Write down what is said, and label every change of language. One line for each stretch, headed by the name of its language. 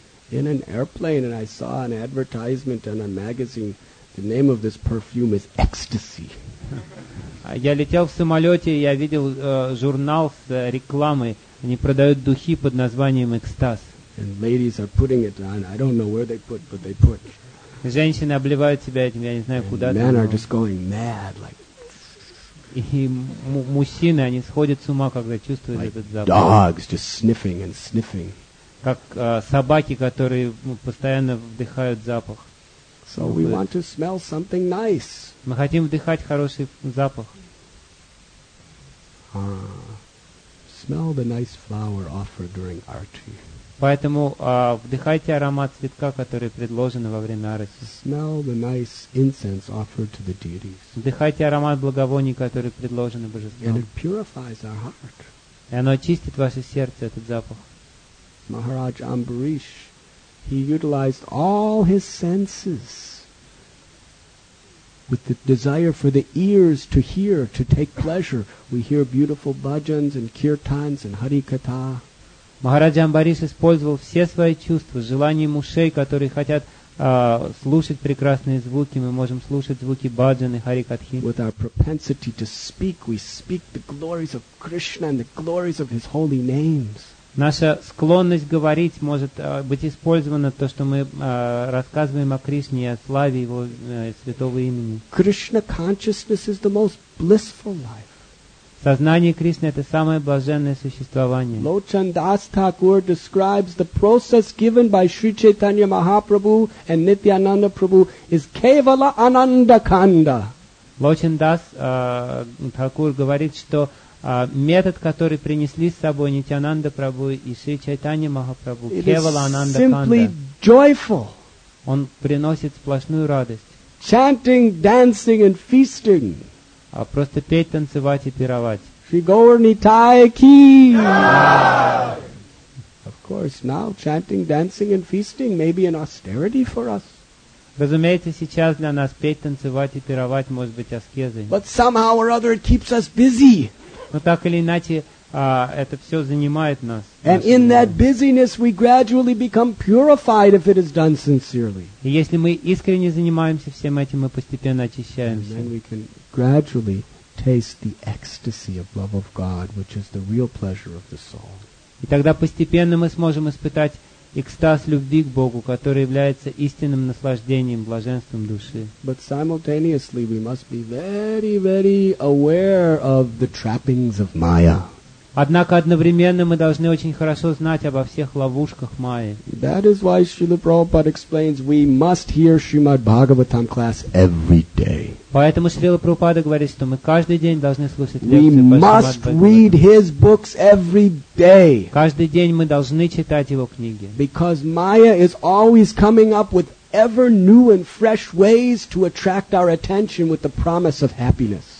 English: In an airplane, and I saw an advertisement on a magazine. The name of this perfume is Ecstasy.
Russian: Я летел в самолете, я видел журнал с рекламой. Они продают духи под названием Экстаз.
English: And ladies are putting it on. I don't know where they put, but they put.
Russian: Женщины обливают себя этим. Я не знаю, куда.
English: Men are just going mad, like.
Russian: И мужчины, они сходят с ума, когда чувствуют
English: like
Russian: этот запах.
English: Dogs just sniffing and sniffing.
Russian: Как собаки, которые постоянно вдыхают запах.
English: So we want to smell something nice.
Russian: Мы хотим вдыхать хороший запах.
English: Smell the nice flower offered during arati.
Russian: Поэтому вдыхайте аромат цветка, который предложен во время арати.
English: Smell the nice incense offered to the deities.
Russian: Вдыхайте аромат благовоний, который предложен божеством.
English: And it purifies our heart.
Russian: И оно очистит ваше сердце, этот запах.
English: Maharaj Ambarish, he utilized all his senses with the desire for the ears to hear, to take pleasure. We hear beautiful bhajans and kirtans and harikatha.
Russian: Махараджа Амбариш использовал все свои чувства, желание ушей, которые хотят слушать прекрасные звуки. Мы можем слушать звуки баджан и харикатхи.
English: With our propensity to speak, we speak the glories of Krishna and the glories of His holy names.
Russian: Наша склонность говорить может быть использована то, что мы рассказываем о Кришне, о славе Его святого имени.
English: Krishna consciousness is the most blissful life.
Russian: Сознание Кришны – это самое блаженное существование.
English: Lochan Das Thakur describes the process given by Sri Chaitanya Mahaprabhu and Nityananda Prabhu is
Sanskrit: Kevala Ananda Kanda.
Russian: Lochan Das Thakur говорит, что метод, который принесли с собой Нитьянанда Прабху и Шри Чайтанья Махапрабху,
Sanskrit: Кевала Ананда Канда.
English: Simply joyful.
Russian: Он приносит сплошную радость.
English: Chanting, dancing and feasting.
Russian: А просто петь, танцевать и пировать. Shri Gaurnitai ki.
English: Of course, now chanting, dancing and feasting may be an austerity for us.
Russian: Разумеется, сейчас для нас петь, танцевать и пировать может быть аскезой.
English: But somehow or other it keeps us busy.
Russian: Но так или иначе, это все занимает нас.
English: And in that busyness we gradually become purified if it is done sincerely.
Russian: И если мы искренне занимаемся всем этим, мы постепенно очищаемся.
English: And then we can gradually taste the ecstasy of love of God, which is the real pleasure of the soul.
Russian: И тогда постепенно мы сможем испытать экстаз любви к Богу, который является истинным наслаждением, блаженством души.
English: But simultaneously we must be very, very aware of the trappings of Maya.
Russian: Однако одновременно мы должны очень хорошо знать обо всех ловушках Майи.
English: That is why Srila Prabhupada explains we must hear Srimad Bhagavatam class every day.
Russian: Поэтому Srila Prabhupada говорит, что мы каждый день должны слушать лекции.
English: We must read his books every day.
Russian: Каждый день мы должны читать его книги.
English: Because Maya is always coming up with ever new and fresh ways to attract our attention with the promise of happiness.